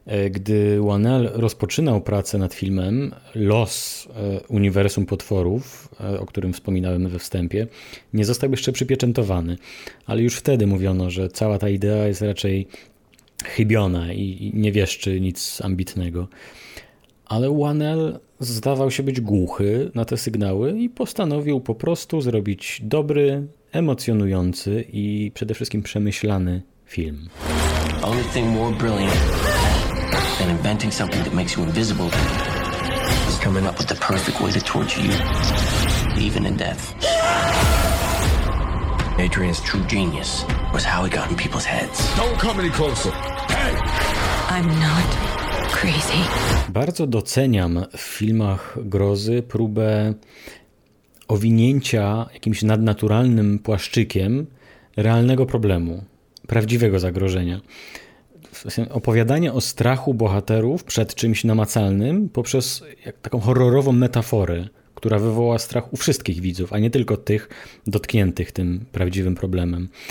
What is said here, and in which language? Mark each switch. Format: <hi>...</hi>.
<pl>Gdy Whannell rozpoczynał pracę nad filmem, los uniwersum potworów, o którym wspominałem we wstępie, nie został jeszcze przypieczętowany, ale już wtedy mówiono, że cała ta idea jest raczej chybiona i nie wieszczy nic ambitnego. Ale Whannell zdawał się być głuchy na te sygnały i postanowił po prostu zrobić dobry, emocjonujący i przede wszystkim przemyślany film.</pl> <en>Only thing more brilliant than inventing something that makes you invisible is coming up with the perfect way to torture you, even in death. Adrian's true genius was how he got in people's heads. Don't come any closer. Hey! I'm not crazy.</en> <pl>Bardzo doceniam w filmach grozy próbę owinięcia jakimś nadnaturalnym płaszczykiem realnego problemu, prawdziwego zagrożenia. Opowiadanie o strachu bohaterów przed czymś namacalnym poprzez taką horrorową metaforę, która wywoła strach u wszystkich widzów, a nie tylko tych dotkniętych tym prawdziwym problemem.</pl>